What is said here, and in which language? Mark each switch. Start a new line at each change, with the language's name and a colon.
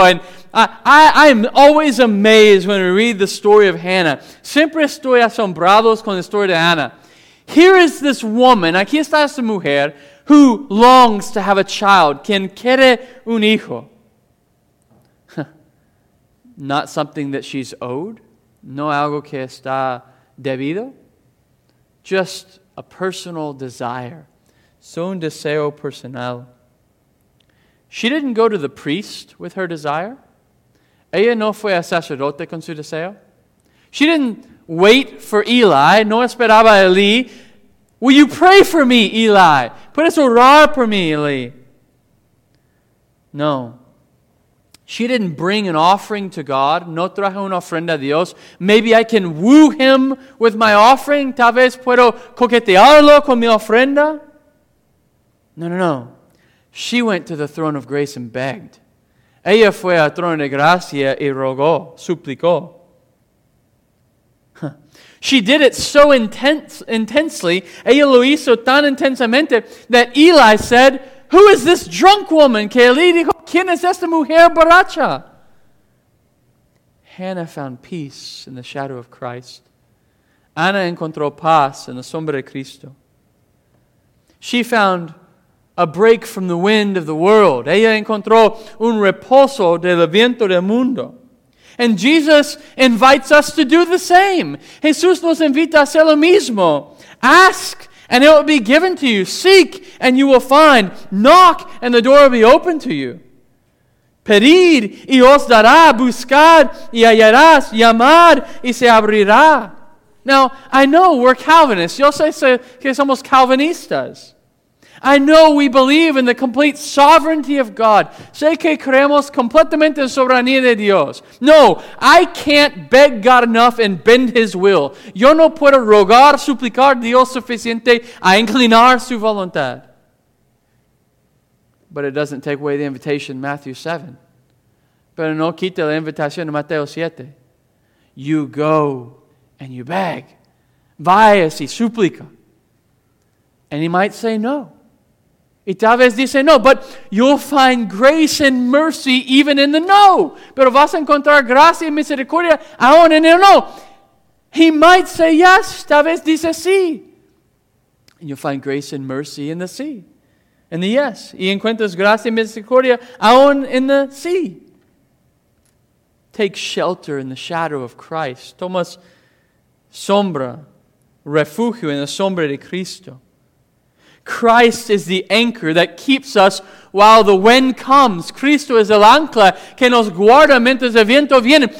English: And I am always amazed when we read the story of Hannah.
Spanish: Siempre estoy asombrado con la historia de Ana.
English: Here is this woman,
Spanish: aquí está esta mujer,
English: who longs to have a child,
Spanish: quien quiere un hijo.
English: Not something that she's owed,
Spanish: no algo que está debido,
English: just a personal desire, so
Spanish: un deseo personal.
English: She didn't go to the priest with her desire.
Spanish: Ella no fue a sacerdote con su deseo.
English: She didn't wait for Eli,
Spanish: no esperaba a Eli.
English: Will you pray for me, Eli?
Spanish: Puedes orar por mí, Eli? No.
English: She didn't bring an offering to God.
Spanish: No trajo una ofrenda a Dios.
English: Maybe I can woo him with my offering.
Spanish: Tal vez puedo coquetearlo con mi ofrenda. No, no, no.
English: She went to the throne of grace and begged.
Spanish: Ella fue al trono de gracia y rogó, suplicó.
English: She did it so intensely,
Spanish: ella lo hizo tan intensamente,
English: that Eli said, "Who is this drunk woman?"
Spanish: Que Eli dijo, "¿Quién es esta mujer borracha?"
English: Hannah found peace in the shadow of Christ.
Spanish: Ana encontró paz en la sombra de Cristo.
English: She found a break from the wind of the world.
Spanish: Ella encontró un reposo del viento del mundo.
English: And Jesus invites us to do the same.
Spanish: Jesús nos invita a hacer lo mismo.
English: Ask, and it will be given to you. Seek, and you will find. Knock, and the door will be opened to you.
Spanish: Pedid, y os dará. Buscad, y hallarás. Llamad, y se abrirá.
English: Now, I know we're Calvinists.
Spanish: Yo sé que somos Calvinistas.
English: I know we believe in the complete sovereignty of God.
Spanish: Sé que creemos completamente en soberanía de Dios.
English: No, I can't beg God enough and bend His will.
Spanish: Yo no puedo rogar, suplicar Dios suficiente a inclinar su voluntad.
English: But it doesn't take away the invitation in Matthew 7.
Spanish: Pero no quita la invitación de Mateo 7.
English: You go and you beg.
Spanish: Vayas y suplica.
English: And he might say no.
Spanish: Y tal vez dice no,
English: but you'll find grace and mercy even in the no.
Spanish: Pero vas a encontrar gracia y misericordia aún en el no.
English: He might say yes,
Spanish: tal vez dice sí.
English: And you'll find grace and mercy in the sí. In the yes.
Spanish: Y encuentras gracia y misericordia aún en the sí.
English: Take shelter in the shadow of Christ.
Spanish: Tomas sombra, refugio en la sombra de Cristo.
English: Christ is the anchor that keeps us while the wind comes.
Spanish: Cristo es el ancla que nos guarda mientras el viento viene.